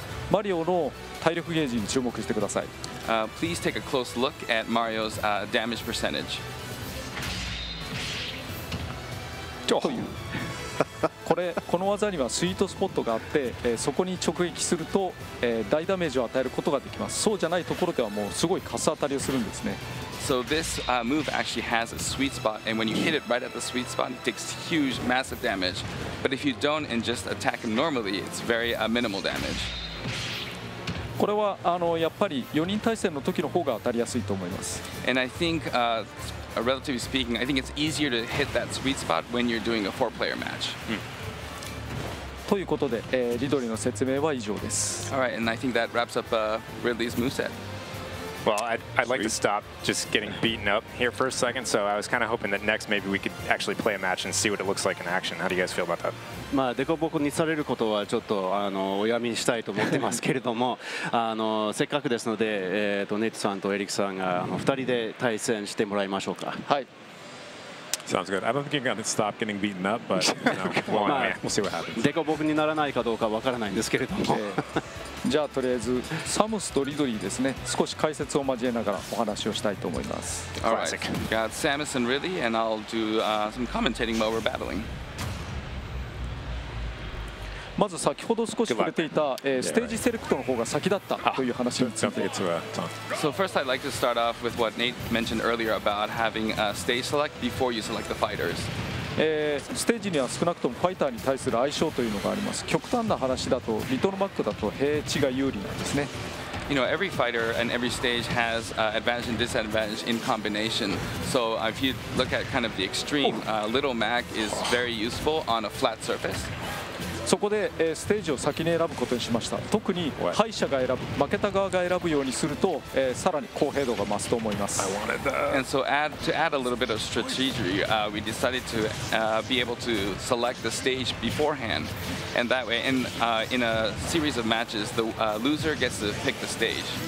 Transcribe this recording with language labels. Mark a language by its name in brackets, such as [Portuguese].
[Japanese] マリオの体力ゲージに注目してください。 [English] Please take a close look at Mario's damage percentage. [Japanese] という。この技にはスイートスポットがあって、そこに直撃すると、大ダメージを与えることができます。そうじゃないところではもうすごいカス当たりをするんですね。 [English] So this move actually has a sweet spot, and when you hit it right at the sweet spot, it takes huge, massive damage. But if you don't and just attack him normally, it's very minimal damage. [Japanese] これはやっぱり4人対戦の時の方が当たりやすいと思います。 [English] And I think, relatively speaking, I think it's easier to hit that sweet spot when you're doing a four-player match. [Japanese] ということで、リドリーの説明は以上です。 [English] All right, and I think that wraps up Ridley's moveset. Well, I'd like to stop just getting beaten up here for a second, so I was kind of hoping that next maybe we could actually play a match and see what it looks like in action. How do you guys feel about that? [Japanese] まあ、デコボコにされることはちょっとおやみにしたいと思ってますけれども、せっかくですので、ネットさんとエリックさんが2人で対戦してもらいましょうか。はい。 [English] Sounds good. I don't think you're going to stop getting beaten up, but you know, we'll see what happens. [Japanese] デコボクにならないかどうかわからないんですけれども。じゃあとりあえずサムスとリドリーですね。少し解説を交えながらお話をしたいと思います。 [English] All right. Got Samus and Ridley, and I'll do some commentating while we're battling. [Japanese] まず先ほど少し触れていたステージセレクトの方が先だったという話について。 [English] So first, I'd like to start off with what Nate mentioned earlier about having a stage select before you select the fighters. [Japanese] ステージには少なくともファイターに対する相性というのがあります。極端な話だとリトルマックだと平地が有利なんですね。 [English] You know, every fighter and every stage has advantage and disadvantage in combination. So if you look at kind of the extreme, Little Mac is very useful on a flat surface. [Japanese] そこで、ステージを先に選ぶことにしました。特に敗者が選ぶ、負けた側が選ぶようにすると、さらに公平度が増すと思います。 [English] I wanted that. And so to add a little bit of strategy, we decided to be able to select the stage beforehand. And that way, in a series of matches, the loser gets to pick the stage.